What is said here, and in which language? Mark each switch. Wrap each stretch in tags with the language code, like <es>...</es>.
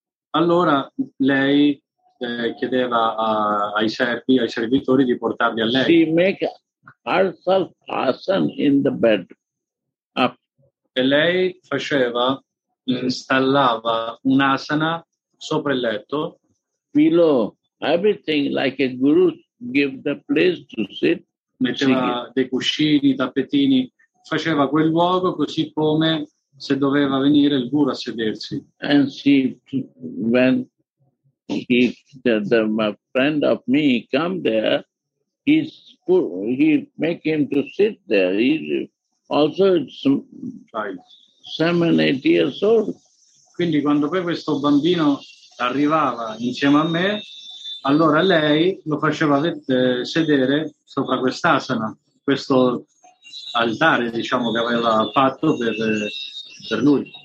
<it>Allora lei chiedeva ai servi, ai servitori di portarli a lei.</it> <en>She make herself fasten in the bed.</en> <it>E lei faceva, installava un'asana sopra il letto.</it> <en>Pillow, everything like a guru give the place to sit.</en> <it>Metteva dei cuscini, tappetini. Faceva quel luogo così come se doveva venire il guru a sedersi.</it> <en>And she went. If the friend of me come there, he make him to sit there. He also child. 7-8 years old.</en> <it>Quindi quando poi questo bambino arrivava insieme a me, allora lei lo faceva sedere sopra quest'asana, questo altare, diciamo, che aveva fatto per lui.</it>